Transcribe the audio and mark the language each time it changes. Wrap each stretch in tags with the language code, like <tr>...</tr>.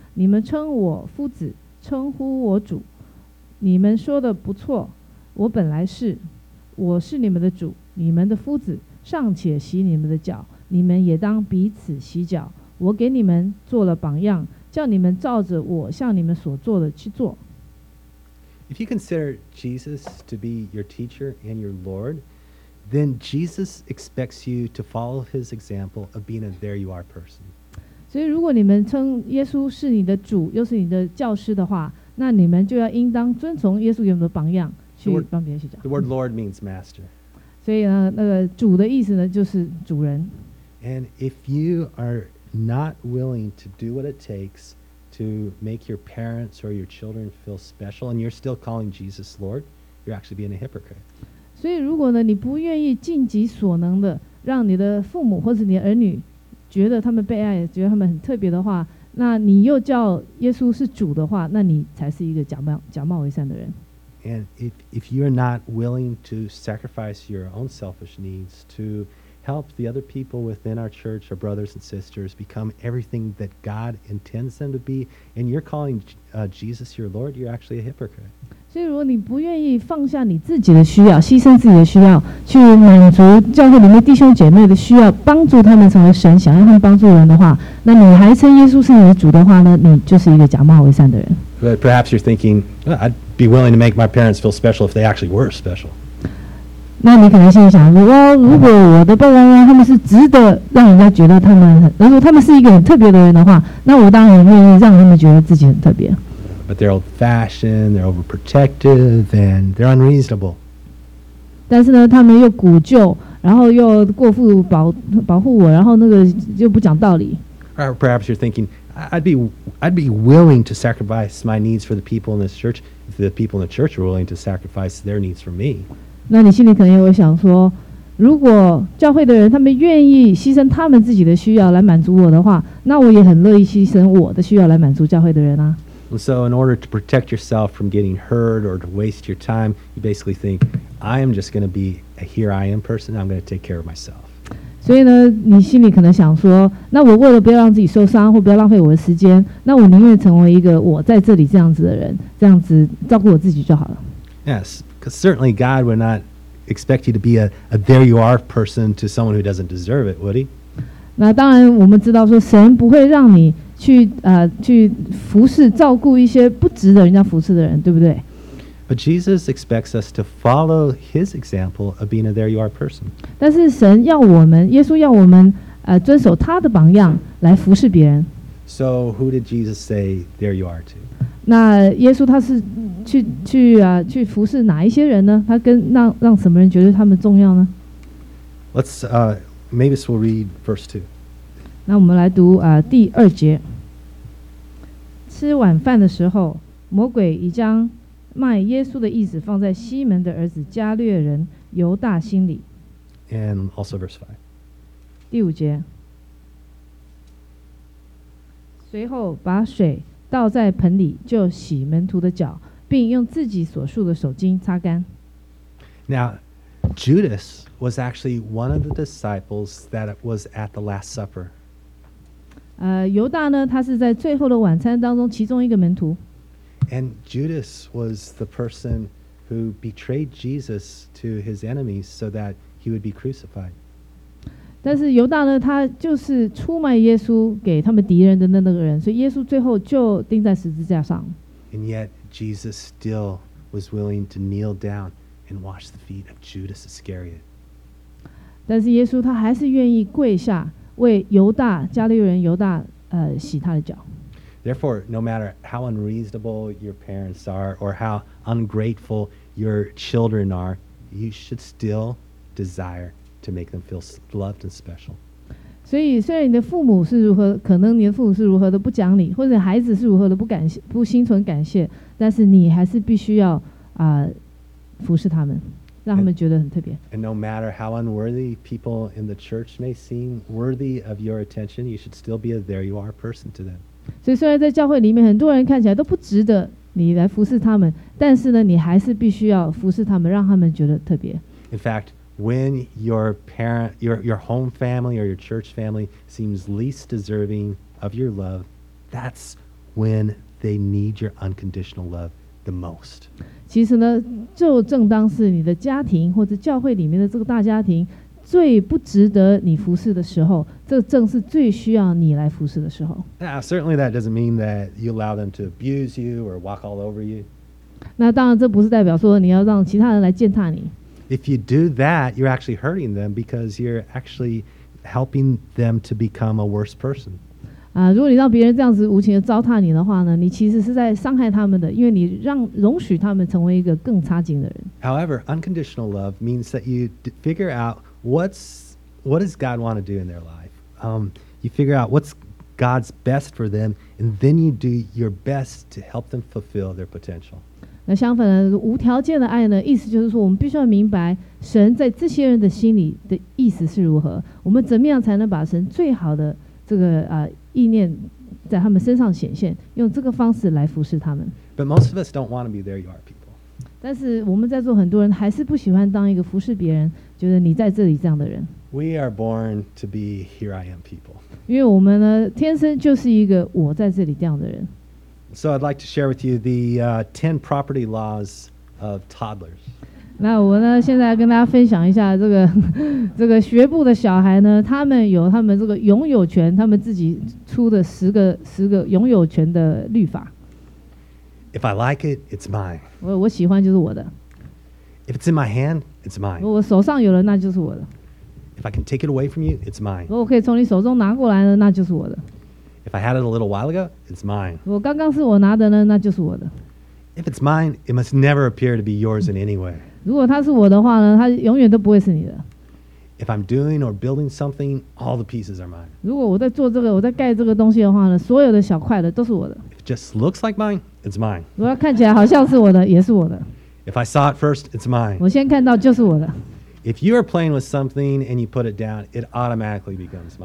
<zh>你们称我夫子，称呼我主，你们说的不错，我本来是。” 我是你们的主，你们的夫子，尚且洗你们的脚，你们也当彼此洗脚。我给你们做了榜样，叫你们照着我向你们所做的去做。</zh> <en>If you consider Jesus to be your teacher and your Lord, then Jesus expects you to follow his example of being a there you are person.</en> <zh>所以如果你们称耶稣是你的主，又是你的教师的话，那你们就要应当遵从耶稣给我们的榜样。</zh> <en>The word Lord means master.</en> <zh>所以呢，那个主的意思呢，就是主人。</zh> <en>And if you are not willing to do what it takes to make your parents or your children feel special, and you're still calling Jesus Lord, you're actually being a hypocrite.</en> <zh>所以如果呢，你不愿意尽己所能的让你的父母或是你的儿女觉得他们被爱，觉得他们很特别的话，那你又叫耶稣是主的话，那你才是一个假冒为善的人。</zh> <en>And if you're not willing to sacrifice your own selfish needs to help the other people within our church, our brothers and sisters, become everything that God intends them to be, and you're calling Jesus your Lord, you're actually a hypocrite.</en> <zh>所以如果你不愿意放下你自己的需要，牺牲自己的需要，去满足教会里面弟兄姐妹的需要，帮助他们成为神，想要他们帮助人的话，那你还称耶稣是你的主的话呢？你就是一个假冒为善的人。</zh> <en>But perhaps you're thinking, well, I'd be willing to make my parents feel special if they actually were special.</en> <zh>那你可能心里想说，哦，如果我的爸爸妈妈他们是值得让人家觉得他们很，如果他们是一个很特别的人的话，那我当然愿意让他们觉得自己很特别。</zh> <en>But they're old-fashioned, they're overprotective, and they're unreasonable.</en> <zh>但是呢，他们又古旧，然后又过度保护我，然后那个又不讲道理。</zh> <en>Or perhaps you're thinking, I'd be willing to sacrifice my needs for the people in this church if the people in the church were willing to sacrifice their needs for me.</en> <zh>那你心里可能也会想说，如果教会的人他们愿意牺牲他们自己的需要来满足我的话，那我也很乐意牺牲我的需要来满足教会的人啊。</zh> <en>And so in order to protect yourself from getting hurt or to waste your time, you basically think, I am just going to be a here I am person, I'm going to take care of myself.</en> <zh>所以呢，你心里可能想说，那我为了不要让自己受伤或不要浪费我的时间，那我宁愿成为一个我在这里这样子的人，这样子照顾我自己就好了。</zh> <en>Yes, because certainly God would not expect you to be a there you are person to someone who doesn't deserve it, would he?</en> <zh>那当然我们知道说神不会让你去服侍照顾一些不值得人家服侍的人，对不对？</zh> <en>But Jesus expects us to follow his example of being a there you are person.</en> <zh>但是神要我们，耶稣要我们遵守他的榜样来服侍别人。</zh> <en>So who did Jesus say there you are to?</en> <zh>那耶稣他是去服侍哪一些人呢？他跟让什么人觉得他们重要呢？</zh> <en>Let's maybe we'll read verse 2.</en> <zh>那我们来读第二节。吃晚饭的时候，魔鬼已将卖耶稣的意思放在西门的儿子加略人犹大心里。</zh> <en>And also verse 5.</en> <zh>第五节。随后把水倒在盆里，就洗门徒的脚，并用自己所束的手巾擦干。</zh> <en>Now, Judas was actually one of the disciples that was at the Last Supper.</en> <zh>犹大呢，他是在最后的晚餐当中其中一个门徒。</zh> <en>And Judas was the person who betrayed Jesus to his enemies so that he would be crucified.</en> <zh>但是犹大呢，他就是出卖耶稣给他们敌人的那个人，所以耶稣最后就钉在十字架上。</zh> <en>And yet Jesus still was willing to kneel down and wash the feet of Judas Iscariot.</en> <zh>但是耶稣他还是愿意跪下为犹大加利人犹大洗他的脚。</zh> <en>Therefore, no matter how unreasonable your parents are or how ungrateful your children are, you should still desire to make them feel loved and special.</en> <zh>所以虽然你的父母是如何，可能你的父母是如何的不讲理，或者孩子是如何的不心存感谢，但是你还是必须要服侍他们。让他们觉得很特别。</zh> <en>And no matter how unworthy people in the church may seem worthy of your attention, you should still be a there you are person to them.</en> <zh>所以虽然在教会里面很多人看起来都不值得你来服侍他们，但是呢，你还是必须要服侍他们，让他们觉得特别。</zh> <en>In fact, when your parent, your home family or your church family seems least deserving of your love, that's when they need your unconditional love. The most.</en> <zh>其实呢，就正当是你的家庭或者教会里面的这个大家庭最不值得你服侍的时候，这正是最需要你来服侍的时候。</zh> <en>Now, certainly that doesn't mean that you allow them to abuse you or walk all over you.</en> <zh>那当然，这不是代表说你要让其他人来践踏你。</zh> <en>If you do that, you're actually hurting them because you're actually helping them to become a worse person.</en> <zh>如果你让别人这样子无情的糟蹋你的话呢，你其实是在伤害他们的，因为你容许他们成为一个更差劲的人。</zh> <en>However, unconditional love means that you figure out what does God want to do in their life. You figure out what's God's best for them, and then you do your best to help them fulfill their potential.</en> <zh>那相反的无条件的爱呢，意思就是说我们必须要明白神在这些人的心里的意思是如何，我们怎么样才能把神最好的这个意念在他们身上显现，用这个方式来服侍他们。</zh> <en>But most of us don't want to be there you are people.</en> <zh>但是我们在座很多人还是不喜欢当一个服侍别人，觉得你在这里这样的人。</zh> <en>We are born to be here I am people.</en> <zh>因为我们呢天生就是一个我在这里这样的人。</zh> <en>So I'd like to share with you the 10 property laws of toddlers.</en> <zh>那我呢现在跟大家分享一下这个这个学步的小孩呢，他们有他们这个拥有权，他们自己出的十个拥有权的律法。</zh> <en>If I like it, it's mine.</en> <zh>我喜欢就是我的。</zh> <en>If it's in my hand, it's mine.</en> <zh>我手上有了那就是我的。</zh> <en>If I can take it away from you, it's mine.</en> <zh>我可以从你手中拿过来呢那就是我的。</zh> <en>If I had it a little while ago, it's mine.</en> <zh>我刚刚是我拿的呢，那就是我的。</zh> <en>If it's mine, it must never appear to be yours in any way.</en> <zh>如果它是我的话呢，它永远都不会是你的。</zh> <en>If I'm doing or building something, all the pieces are mine.</en> <zh>如果我在做这个，我在盖这个东西的话呢，所有的小块的都是我的。</zh> <en>If it just looks like mine, it's mine.</en> <zh>如果看起来好像是我的，也是我的。</zh> <en>If I saw it first, it's mine.</en> <zh>我先看到就是我的。</zh> <en>If you are playing with something and you put it down, it automatically becomes mine.</en>